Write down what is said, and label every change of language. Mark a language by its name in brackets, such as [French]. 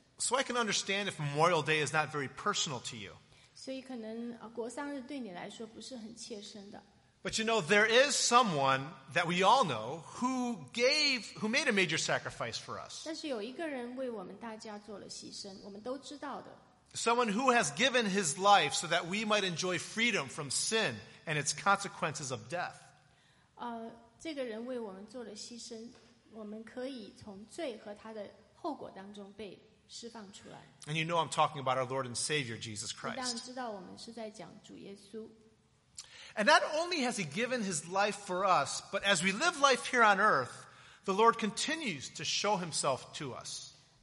[English] So I can understand if Memorial Day is not very personal to you. [Chinese] 所以可能国丧日对你来说不是很切身的。 [English] But you know, there is someone that we all know who made a major sacrifice for us. [Chinese] 但是有一个人为我们大家做了牺牲，我们都知道的。 [English] Someone who has given his life so that we might enjoy freedom from sin and its consequences of death. [Chinese] 这个人为我们做了牺牲，我们可以从罪和他的后果当中被释放出来。 [English] And you know I'm talking about our Lord and Savior, Jesus Christ. [Chinese] 当然知道我们是在讲主耶稣。 [English] And not only has he given his life for us, but as we live life here on earth, the Lord continues to show himself to us.